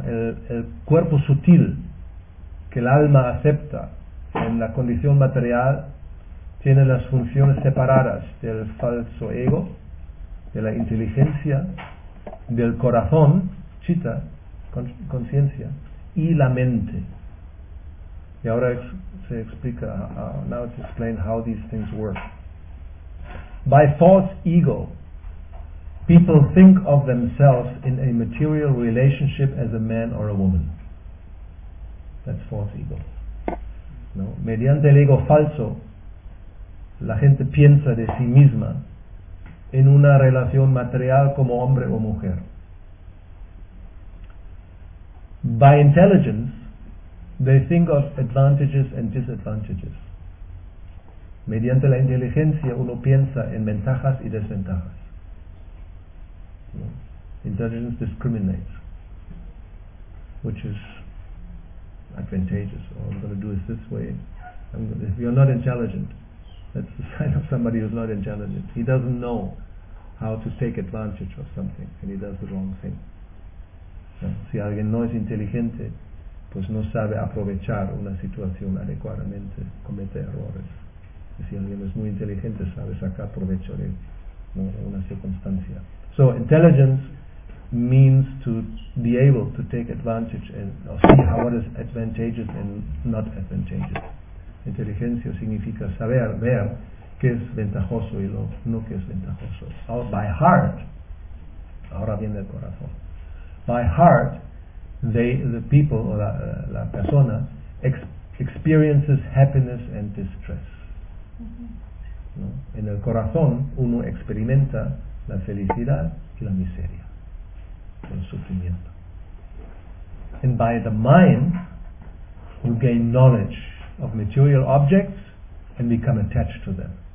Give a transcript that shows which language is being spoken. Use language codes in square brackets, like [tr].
[es] El cuerpo sutil que el alma acepta en la condición material tiene las funciones separadas del falso ego, de la inteligencia, del corazón, chitta, conciencia, y la mente. Y ahora se explica, [en] now it's explained how these things work. By false ego, people think of themselves in a material relationship as a man or a woman. That's false ego. [es] No, mediante el ego falso, la gente piensa de sí misma en una relación material como hombre o mujer. [en] By intelligence, they think of advantages and disadvantages. [es] Mediante la inteligencia, uno piensa en ventajas y desventajas. [en] Intelligence discriminates, which is advantageous. Oh, I'm going to do it this way. If you're not intelligent, that's the sign of somebody who's not intelligent. He doesn't know how to take advantage of something, and he does the wrong thing. [es] Si alguien no es inteligente, pues no sabe aprovechar una situación adecuadamente, comete errores. Y si alguien es muy inteligente, sabe sacar provecho de una circunstancia. [en] So, intelligence means to be able to take advantage and see how it is advantageous and not advantageous. [es] Inteligencia significa saber ver qué es ventajoso y lo no que es ventajoso. [en] Oh, by heart, [es] ahora viene el corazón. [en] By heart, [es] la persona [en] experiences happiness and distress. [es] Mm-hmm. ¿No? En el corazón uno experimenta la felicidad y la miseria, el sufrimiento. [en] And by the mind, you gain knowledge of material objects and become attached to them.